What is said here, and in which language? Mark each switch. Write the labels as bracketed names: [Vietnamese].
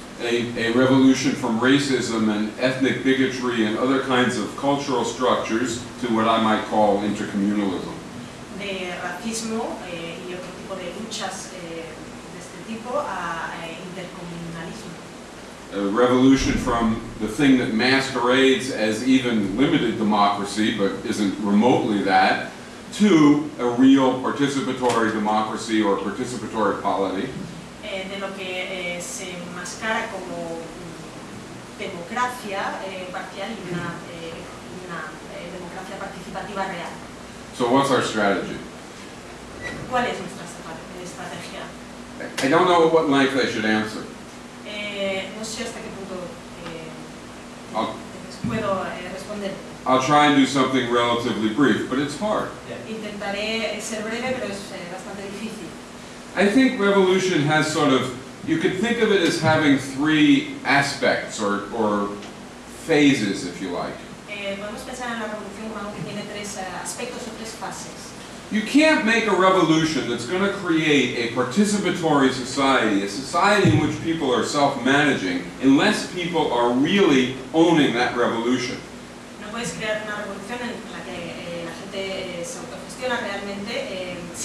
[English] A revolution from racism and ethnic bigotry and other kinds of cultural structures to what I might call intercommunalism. [Spanish] De racismo y otro tipo de luchas de este tipo a intercomunalismo. [English] A revolution from the thing that masquerades as even limited democracy, but isn't remotely that, to a real participatory democracy or participatory polity. [Spanish] De lo que se enmascara como democracia parcial y una democracia participativa real. [English] So what's our strategy? [Spanish] ¿Cuál es nuestra estrategia? [English] I don't know what length I should answer. [Spanish] No sé hasta qué punto puedo responder. [English] I'll try and do something relatively brief, but it's hard. [Spanish] Yeah. Intentaré ser breve, pero es bastante difícil. [English] I think revolution has sort of, you could think of it as having three aspects or phases, if you like. [Spanish] Podemos pensar en la revolución como que tiene tres aspectos o tres fases. [English] You can't make a revolution that's going to create a participatory society, a society in which people are self-managing, unless people are really owning that revolution. [Spanish] No puedes crear una revolución en la que la gente se autogestiona realmente